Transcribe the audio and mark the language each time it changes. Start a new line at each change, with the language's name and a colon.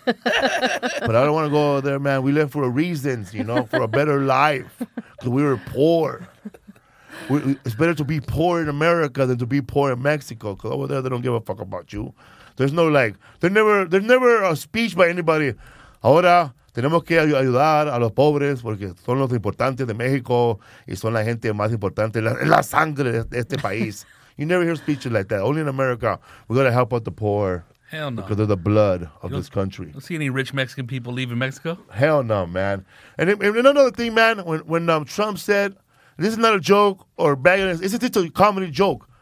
English: But I don't want to go over there, man. We live for a reason, you know, for a better life. Because we were poor. It's better to be poor in America than to be poor in Mexico. Because over there, they don't give a fuck about you. There's no like, there's never a speech by anybody.
Spanish: Ahora tenemos que ayudar a los pobres porque son los importantes de México y son la gente más importante, la sangre de este país.
English: You never hear speeches like that. Only in America, we gotta help out the poor. Hell no. Because of the blood of this country. You don't see any rich Mexican people leaving Mexico? Hell no, man. And another thing, man, when Trump said, this is not a joke or bagging, it's just a comedy joke.